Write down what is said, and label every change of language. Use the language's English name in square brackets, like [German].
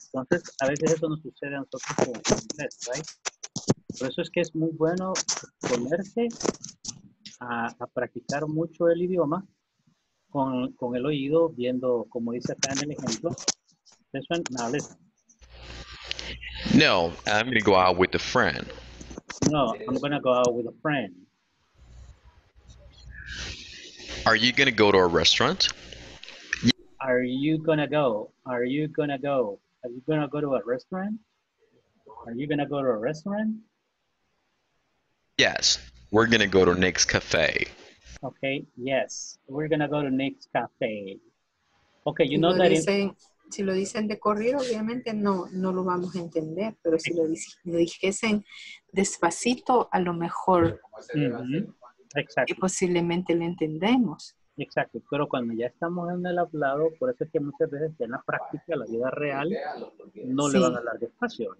[Spanish] Entonces, a veces eso nos sucede a nosotros con inglés, ¿right? Por eso es que es muy bueno ponerse a practicar mucho el idioma con el oído, viendo, como dice acá en el ejemplo. [English] This one, now listen. No, I'm going to go out with a friend. No, I'm going to go out with a friend. Are you going to go to a restaurant? Are you going to go? Are you going to go? Are you going to go to a restaurant? Are you going to go to a restaurant? Yes, we're going to go to Nick's Cafe. Okay, yes, we're going to go to Nick's Cafe. Okay, you know that... [Spanish] Si lo dicen de corrido, obviamente no lo vamos a entender, pero si lo dijesen despacito, a lo mejor Exacto. Y posiblemente lo entendemos. Exacto, pero cuando ya estamos en el hablado, por eso es que muchas veces en la práctica, la vida real, no le van a hablar despacio.